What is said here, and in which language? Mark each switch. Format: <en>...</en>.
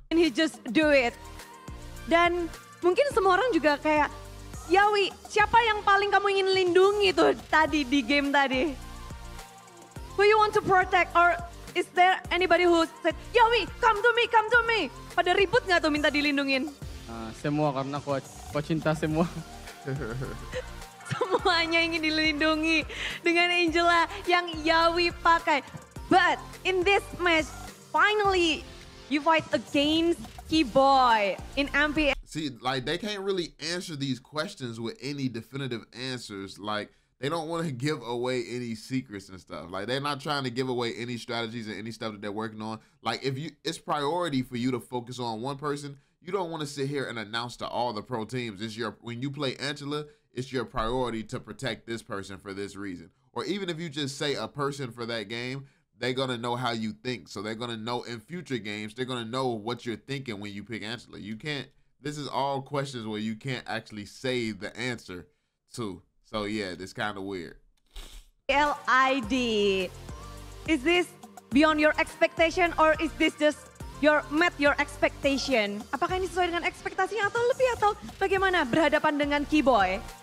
<en>And he just do it.</en> <id>Dan mungkin semua orang juga kayak, Yawi, siapa yang paling kamu ingin lindungi tuh tadi di game tadi?</id> <en>Who you want to protect or is there anybody who said, Yawi, come to me.</en> <id>Pada ribut gak tuh minta dilindungin? Semua karena aku cinta semua. Semuanya ingin dilindungi dengan Angela yang Yawi pakai.</id> <en>But in this match, finally you fight against Keyboy in MPL. See, like, they can't really answer these questions with any definitive answers. Like, they don't want to give away any secrets and stuff. Like, they're not trying to give away any strategies and any stuff that they're working on. Like, if you, it's priority for you to focus on one person. You don't want to sit here and announce to all the pro teams. It's your, when you play Angela, it's your priority to protect this person for this reason. Or even if you just say a person for that game, they're going to know how you think. So they're going to know in future games, they're going to know what you're thinking when you pick Angela. You can't. This is all questions where you can't actually say the answer to. So yeah, this kind of weird. LID, is this beyond your expectation or is this just your met your expectation?</en> <id>Apakah ini sesuai dengan ekspektasinya atau lebih atau bagaimana berhadapan dengan Keyboy?</id>